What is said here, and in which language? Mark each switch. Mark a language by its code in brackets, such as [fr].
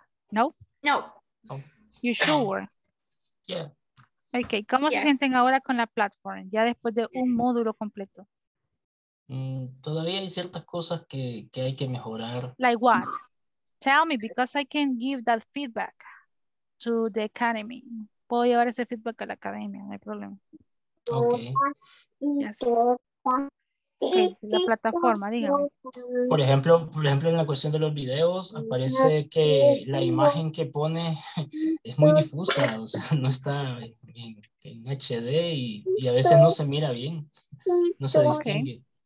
[en] No? No. You sure? Yeah. [es] Okay, ¿cómo se sienten ahora con la plataforma? Ya después de un módulo completo. Todavía hay ciertas cosas que hay que mejorar. [en] Like what? Tell me, because I can give that feedback to the academy. [es] Puedo llevar ese feedback a la academia, no hay problema. [en] Okay. [es] Yes. Okay, la plataforma, dígame. Por ejemplo, en la cuestión de los videos, aparece que la imagen que pone es muy difusa, o sea, no está en HD y a veces no se mira bien, no se distingue.